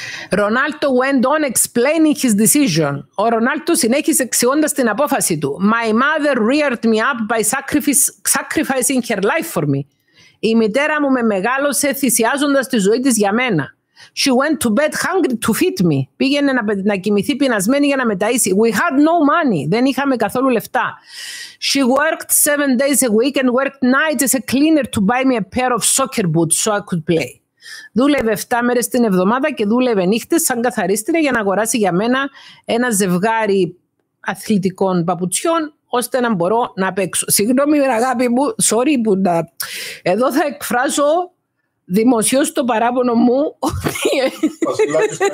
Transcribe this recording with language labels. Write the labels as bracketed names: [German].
[English] Ronaldo went on explaining his decision. [Greek] Ο Ρονάλτο συνέχισε εξηγώντας την απόφαση του. [English] My mother reared me up by sacrificing her life for me. [Greek] Η μητέρα μου με μεγάλωσε θυσιάζοντας τη ζωή της για μένα. [English] She went to bed hungry to feed me. [Greek] Πήγαινε να κοιμηθεί πεινασμένη για να με ταΐσει. [English] We had no money. [Greek] Δεν είχαμε καθόλου λεφτά. [English] She worked 7 days a week and worked nights as a cleaner to buy me a pair of soccer boots so I could play. [Greek] Δούλευε 7 μέρες την εβδομάδα και δούλευε νύχτες σαν καθαρίστρια για να αγοράσει για μένα ένα ζευγάρι αθλητικών παπουτσιών ώστε να μπορώ να παίξω. Συγγνώμη, αγάπη μου, sorry που να... Εδώ θα εκφράζω δημοσίως το παράπονο μου ότι...